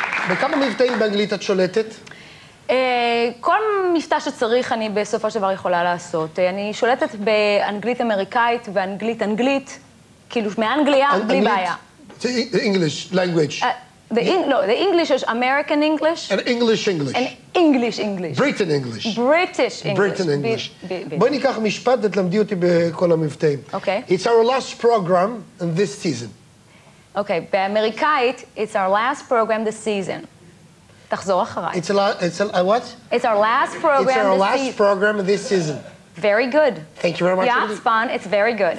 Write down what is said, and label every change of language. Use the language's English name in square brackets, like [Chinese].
[Hebrew] בכמה מבטאים באנגלית את שולטת? כל מבטא שצריך אני בסופו של דבר יכולה לעשות. אני שולטת באנגלית אמריקאית ואנגלית אנגלית, כאילו מאנגליה, בלי בעיה. [English] English language. The English is American English. And English English. And English English. Britain English. British English. Britain English. [Hebrew] בואי ניקח משפט ותלמדי אותי בכל המבטאים. [English] Okay. It's our last program in this season. Okay, באמריקאית, it's our last program this season. [Hebrew] תחזור אחריי. [English] It's a what? It's our last program this season. It's our last program in this season. Very good. Thank you very much. Yeah, Spahn, it's very good.